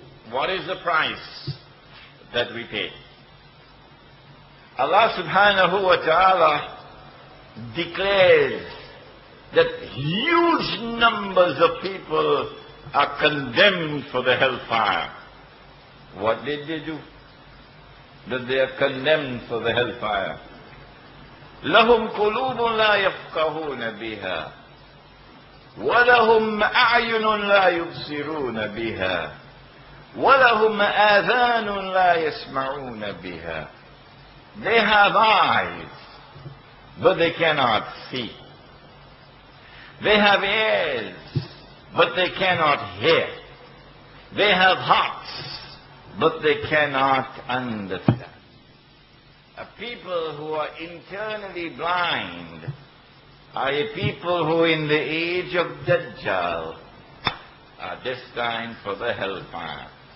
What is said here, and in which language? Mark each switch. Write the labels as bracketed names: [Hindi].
[English] What is the price that we pay? Allah subhanahu wa ta'ala declares that huge numbers of people are condemned for the hellfire. What did they do? That they are condemned for the hellfire. [Arabic] لَهُمْ قُلُوبٌ لَا يَفْقَهُونَ بِهَا وَلَهُمْ أَعْيُنٌ لَا يُبْصِرُونَ بِهَا وَلَهُمْ آذَانٌ لَا يَسْمَعُونَ بِهَا [English] They have eyes, but they cannot see. They have ears, but they cannot hear. They have hearts, but they cannot understand. A people who are internally blind are a people who in the age of Dajjal are destined for the hellfire.